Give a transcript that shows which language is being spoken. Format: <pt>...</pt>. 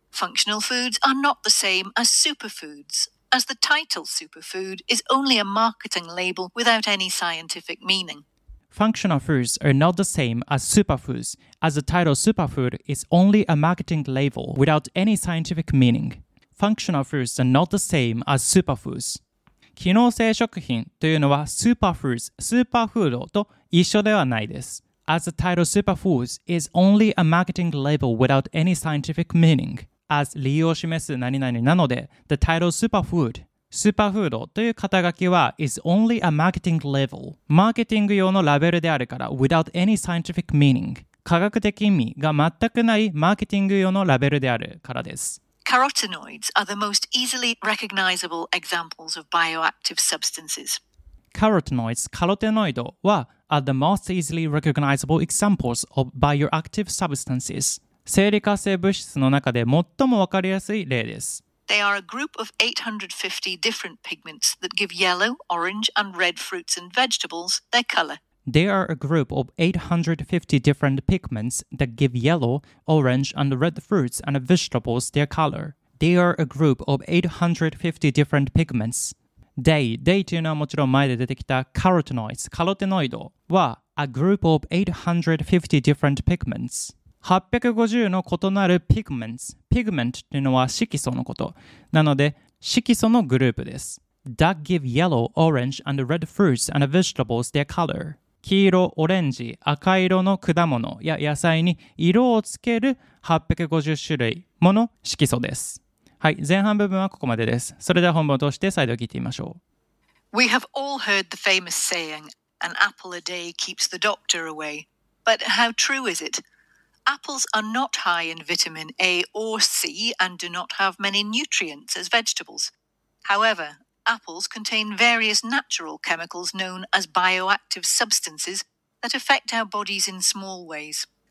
<en>Functional foods are not the same as superfoods, as the title superfood is only a marketing label without any scientific meaning. Functional foods are not the same as superfoods, as the title superfood is only a marketing label without any scientific meaning. Functional foods are not the same as superfoods.</en> <ja>機能性食品というのはスーパーフーズ、スーパーフードと一緒ではないです。</ja> <en>As the title superfoods is only a marketing label without any scientific meaning. As</en> <ja>理由を示す何々なので、</ja> <en>the title superfood、</en> <ja>スーパーフードという肩書きは</ja> <en>is only a marketing label、</en> <ja>マーケティング用のラベルであるから</ja> <en>without any scientific meaning、</en> <ja>科学的意味が全くないマーケティング用のラベルであるからです。</ja> <en>Carotenoids are the most easily recognizable examples of bioactive substances. Carotenoids, carotenoido, wa are the most easily recognizable examples of bioactive substances.</en> <ja>生理活性物質の中で最もわかりやすい例です。</ja> <en>They are a group of 850 different pigments that give yellow, orange, and red fruits and vegetables their color. They are a group of 850 different pigments that give yellow, orange, and red fruits and vegetables their color. They are a group of 850 different pigments. They</en> <ja>というのはもちろん前で出てきた carotenoids, carotenoido は</ja> <en>a group of 850 different pigments.</en> <ja>850の異なる pigments. Pigment というのは色素のこと。なので色素のグループです。</ja> <en>That give yellow, orange, and red fruits and vegetables their color.</en> <ja>黄色、オレンジ、赤色の果物や野菜に色をつける850種類もの色素です。はい、前半部分はここまでです。それでは本文を通して再度聞いてみましょう。</ja> <en>We have all heard the famous saying, an apple a day keeps the doctor away. But how true is it? Apples are not high in vitamin A or C and do not have many nutrients as vegetables. However,Apples contain various natural chemicals known as bioactive substances that affect our bodies in small ways.</en>